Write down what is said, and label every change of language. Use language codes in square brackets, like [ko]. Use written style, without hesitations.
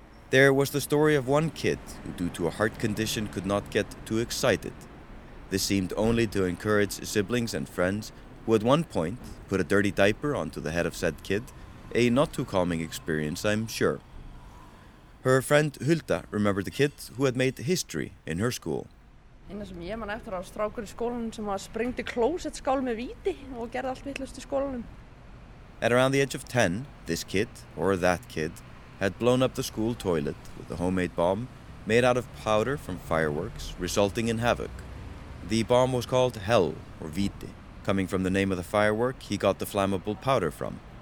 [en] There was the story of one kid who, due to a heart condition, could not get too excited. This seemed only to encourage siblings and friends who at one point put a dirty diaper onto the head of said kid, a not too calming experience, I'm sure. Her friend Hulda remembered the kid who had made history in her school. [is] Einar sem ég man eftir að strákur í skólanum sem var sprengdi klósett skál með víti og gerði allt vitlaust í skólanum. [en] At around the age of 10, this kid, or that kid, had blown up the school toilet with a homemade bomb made out of powder from fireworks, resulting in havoc. The bomb was called Hell, or Víti, coming from the name of the firework he got the flammable powder from.